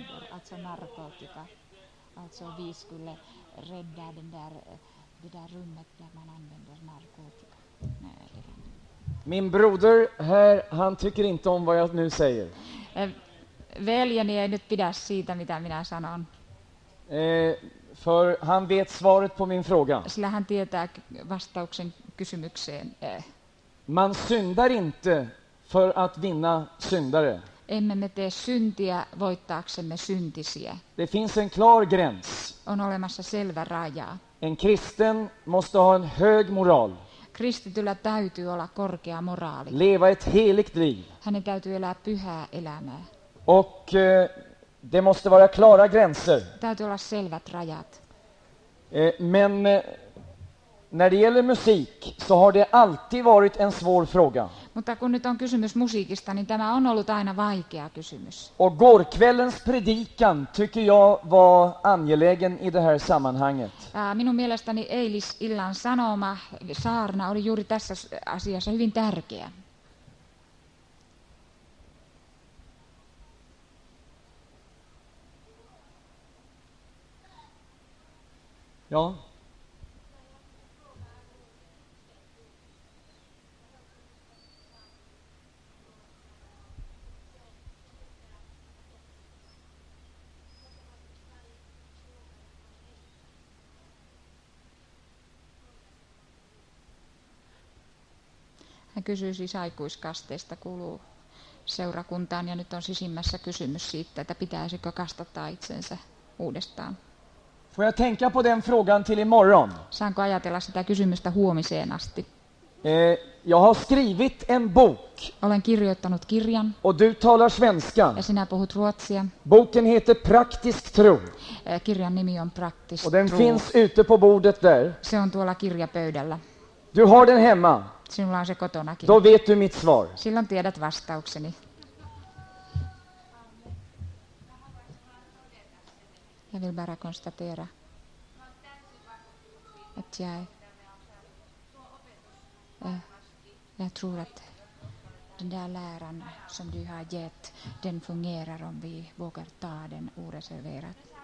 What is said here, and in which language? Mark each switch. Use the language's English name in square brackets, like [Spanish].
[Swedish] Alltså narkotika, alltså vi skulle rädda det där rummet där man använder narkotika. Nej. Min broder här, han tycker inte om vad jag nu säger. [Finnish] Väljeni ei nyt pidä siitä, mitä minä sanon. [Swedish] För han vet svaret på min fråga. [Finnish] Sillä hän tietää vastauksen kysymykseen. [Swedish] Man syndar inte för att vinna syndare. [Finnish] Emme me tee syntiä voittaaksemme syntisiä. [Swedish] Det finns en klar gräns. [Finnish] On olemassa selvä raja. [Swedish] En kristen måste ha en hög moral. [Finnish] Kristityllä täytyy olla korkea moraali. [Swedish] Leva ett heligt liv. [Finnish] Hänen täytyy elää pyhää elämää. [Swedish] Och det måste vara klara gränser. [Finnish] Täytyy olla selvät rajat. [Swedish] Men när det gäller musik så har det alltid varit en svår fråga. [Finnish] Mutta kun nyt on kysymys musiikista, niin tämä on ollut aina vaikea kysymys. [Swedish] Och gårkvällens predikan tycker jag var angelägen i det här sammanhanget. [Finnish] Minun mielestäni eilis illan sanoma saarna oli juuri tässä asiassa hyvin tärkeä. [Swedish] Ja. [Finnish] Hän kysyy siis aikuiskasteesta, kuuluu seurakuntaan ja nyt on sisimmässä kysymys siitä, että pitäisikö kastattaa itsensä uudestaan. [Swedish] Får jag tänka på den frågan till imorgon? [Finnish] Saanko ajatella sitä kysymystä huomiseen asti? [Swedish] Jag har skrivit en bok. [Finnish] Olen kirjoittanut kirjan. [Swedish] Och du talar svenska. [Finnish] Ja sinä puhut ruotsia. [Swedish] Boken heter Praktisk tro. [Finnish] Kirjan nimi on Praktisk tro. [Swedish] Och den finns ute på bordet där. [Finnish] Se on tuolla kirjapöydällä. [Swedish] Du har den hemma. [Finnish] Sinulla on se kotonakin. [Swedish] Då vet du mitt svar. [Finnish] Silloin tiedät vastaukseni. [Swedish] Jag vill bara konstatera att jag tror att den där läran som du har gett, den fungerar om vi vågar ta den oreserverat.